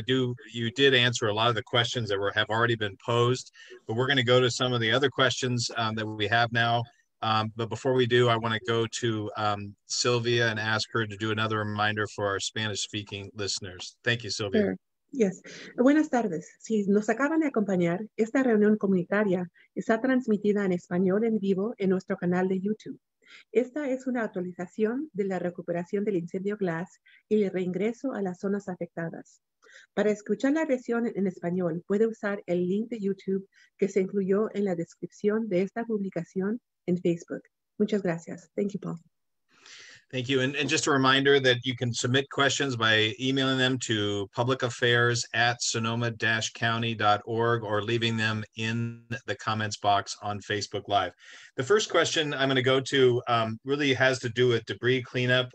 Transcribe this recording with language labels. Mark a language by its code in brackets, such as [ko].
[en] You did answer a lot of the questions that have already been posed, but we're going to go to some of the other questions that we have now. But before we do, I want to go to Sylvia and ask her to do another reminder for our Spanish-speaking listeners. Thank you, Sylvia. Sure. [es] Yes. Buenas tardes. Si nos acaban de acompañar, esta reunión comunitaria está transmitida en español en vivo en nuestro canal de YouTube. Esta es una actualización de la recuperación del incendio Glass y el reingreso a las zonas afectadas. Para escuchar la versión en español, puede usar el link de YouTube que se incluyó en la descripción de esta publicación en Facebook. Muchas gracias. [en] Thank you, Paul. Thank you. And just a reminder that you can submit questions by emailing them to publicaffairs@sonoma-county.org or leaving them in the comments box on Facebook Live. The first question I'm going to go to really has to do with debris cleanup.